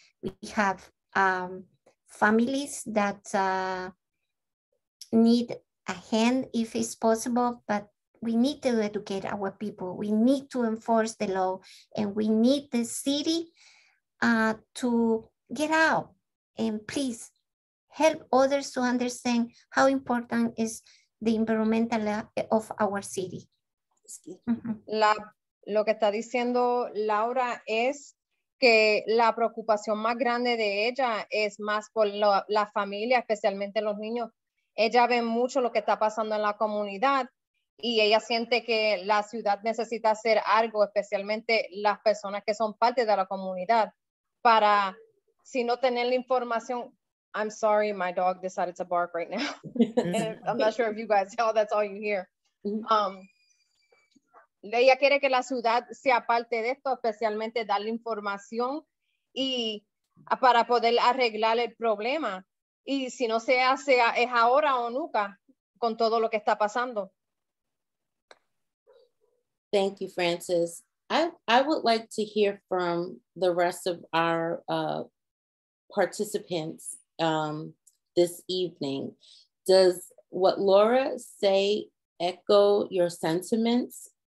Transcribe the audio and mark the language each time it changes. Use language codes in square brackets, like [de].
[en] We have families that need a hand if it's possible, but we need to educate our people. We need to enforce the law, and we need the city to get out and please help others to understand how important is the environmental of our city. [es] Lo que está diciendo Laura es que la preocupación más grande de ella es más por la familia, especialmente los niños. Ella ve mucho lo que está pasando en la comunidad y ella siente que la ciudad necesita hacer algo, especialmente las personas que son parte de la comunidad. Para si no tener la información, [en] I'm sorry, my dog decided to bark right now. I'm not sure if you guys know, that's all you hear. [es] Ella quiere que la ciudad sea parte de esto, especialmente dar la información y para poder arreglar el problema. Y si no se hace, es ahora o nunca, con todo lo que está pasando. [en] Thank you, Francis. I would like to hear from the rest of our participants this evening. Does what Laura say echo your sentiments?